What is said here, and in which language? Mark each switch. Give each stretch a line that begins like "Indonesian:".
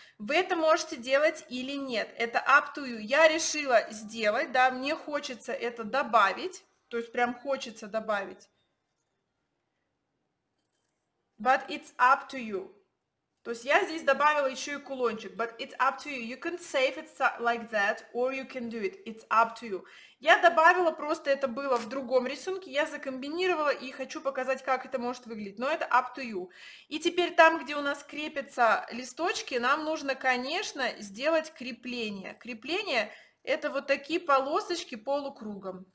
Russian: Вы это можете делать или нет. Это
English: up to you.
Russian: Я решила сделать, да, мне хочется это добавить. То есть прям хочется добавить.
English: But it's up to you.
Russian: То есть я здесь добавила еще и кулончик.
English: But it's up to you. You can save it like that or you can do it. It's up to you.
Russian: Я добавила, просто это было в другом рисунке, я закомбинировала и хочу показать, как это может выглядеть. Но это
English: up to you.
Russian: И теперь там, где у нас крепятся листочки, нам нужно, конечно, сделать крепление. Крепление – это вот такие полосочки полукругом.